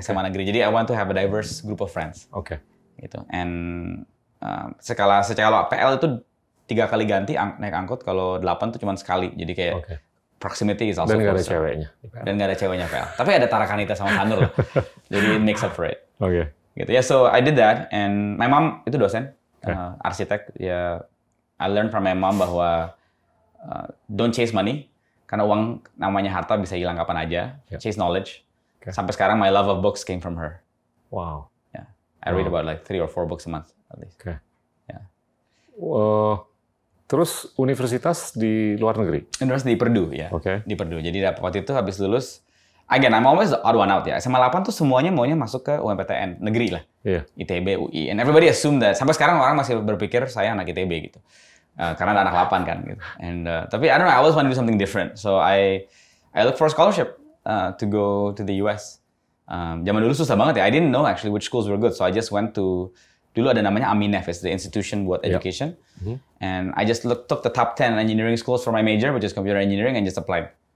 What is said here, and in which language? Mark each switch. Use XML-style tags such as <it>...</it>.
<id>SMA negeri. Jadi</id> <en>I want to have a diverse group of friends. Oke.</en> <id>Okay. Gitu. And secara PL itu 3 kali ganti naik angkut, kalau 8 tuh cuma sekali. Jadi kayak okay.</id> <en>Proximity is also</en> <id>closer. Dan nggak ada ceweknya. Dan nggak ada ceweknya PL. Tapi ada Tarakanita sama Sanur. Jadi</id> <en>mix up for it. Oke. Okay. Gitu. Yeah, so I did that, and my mom</en> <id>itu dosen,</id> <en>okay.</en> <id>Arsitek. Ya, yeah,</id> <en>I learned from my mom</en> <id>bahwa</id> <en>don't chase money,</en> <id>karena uang namanya harta bisa hilang kapan aja. Yeah.</id> <en>Chase knowledge.</en> <id>Okay. Sampai sekarang</id> <en>my love of books came from her. Wow. Yeah, I read about like 3 or 4 books a month at least. Okay. Yeah.</en> <id>Terus universitas di luar negeri? Universitas di Purdue, ya. Yeah. Okay. Di Purdue. Jadi waktu itu habis lulus.</id> <en>Again, I'm always the odd one out ya.</en> <id>SMA 8 tuh semuanya maunya masuk ke UMPTN negeri lah, yeah.</id> <en>ITB, UI, and everybody assume that.</en> <id>Sampai sekarang orang masih berpikir saya anak ITB gitu, karena ada anak 8 kan gitu.</id> <en>And tapi I don't know, I always want to do something different. So I look for a scholarship to go to the US.</en> <id>Zaman dulu susah banget ya.</id> <en>I didn't know actually which schools were good. So I just went to,</en> <id>dulu ada namanya Aminef,</id> <en>it's the institution buat education. Yeah. Mm-hmm. And I just took the top 10 engineering schools for my major, which is computer engineering, and just applied.</en>